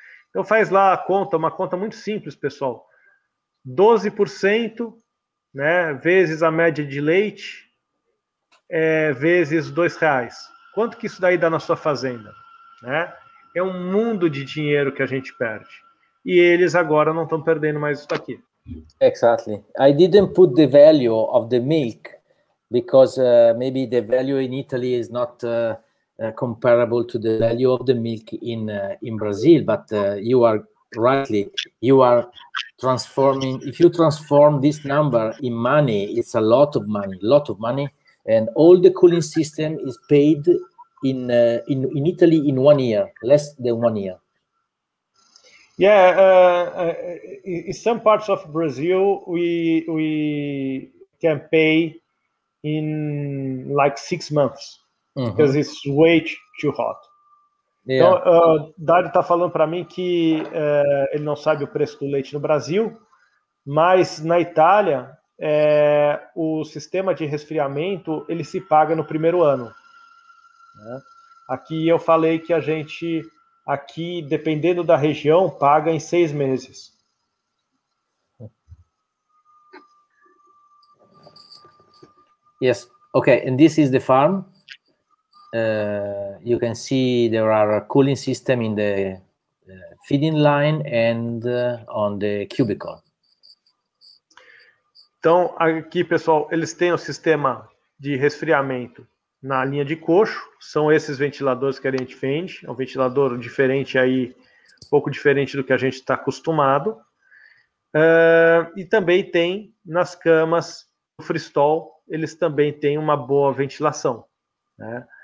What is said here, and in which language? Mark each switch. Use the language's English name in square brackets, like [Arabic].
[Portuguese] Então, faz lá a conta, uma conta muito simples, pessoal. 12%, né, vezes a média de leite, vezes R$2. Quanto que isso daí dá na sua fazenda? Né? É um mundo de dinheiro que a gente perde. E eles agora não estão perdendo mais isso daqui. [English] Exactly. I didn't put the value of the milk because maybe the value in Italy is not... comparable to the value of the milk in Brazil, but you are rightly, you are transforming, if you transform this number in money, it's a lot of money, and all the cooling system is paid in Italy in 1 year, less than 1 year. Yeah, in some parts of Brazil, we can pay in like 6 months. [Portuguese] Porque [English] uhum. It's way too hot. Yeah. [Portuguese] Então, Dario está falando para mim que ele não sabe o preço do leite no Brasil, mas na Itália, o sistema de resfriamento, ele se paga no primeiro ano. Né? Aqui eu falei que a gente, aqui, dependendo da região, paga em 6 meses. [English] Yes, okay, and this is the farm. You can see there are a cooling system in the feeding line and on the cubicle. [Portuguese] Então, aqui, pessoal, eles têm o sistema de resfriamento na linha de coxo, são esses ventiladores que a gente vende, é um ventilador diferente aí, um pouco diferente do que a gente está acostumado, e também tem nas camas, no freestall, eles também têm uma boa ventilação, né?